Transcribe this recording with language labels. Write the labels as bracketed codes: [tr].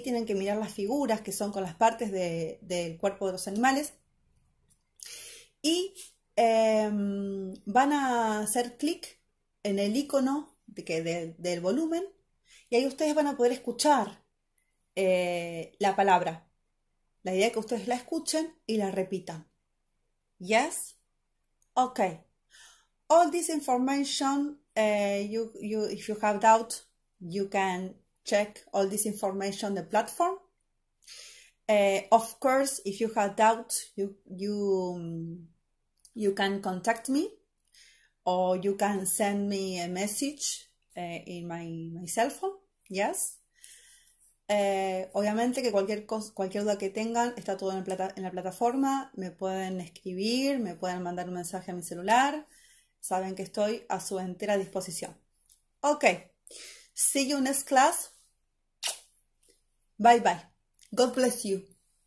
[es] Tienen que mirar las figuras que son con las partes del cuerpo de los animales y van a hacer clic en el icono del volumen y ahí ustedes van a poder escuchar la palabra. La idea es que ustedes la escuchen y la repitan. [en] Yes, okay. All this information, you if you have doubt, you can check all this information on the platform. Of course, if you have doubt, you can contact me, or you can send me a message in my cell phone. Yes. [es] Obviamente que cualquier duda que tengan está todo en la plataforma. Me pueden escribir, me pueden mandar un mensaje a mi celular. Saben que estoy a su entera disposición. [en] Ok, see you next class. Bye bye. God bless you.